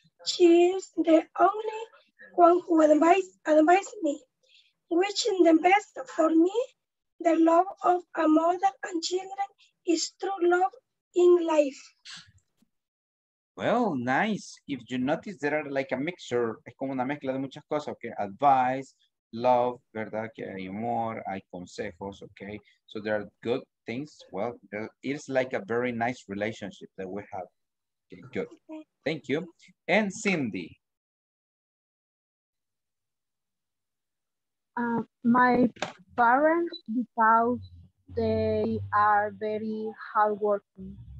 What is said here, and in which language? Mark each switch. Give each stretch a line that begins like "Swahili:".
English: She is the only one who advise me, which is the best for me. The love of a mother and children is true love in life. Well, nice. If you notice, there are like a mixture.
Spanish: Es como una mezcla de muchas cosas,
English: okay? Advice.
Spanish: Love, verdad, que hay humor, hay consejos, okay?
English: So there are good things. Well, it's like a very nice relationship that we have. Okay, good. Thank you. And Cindy. My parents, because they are very hardworking.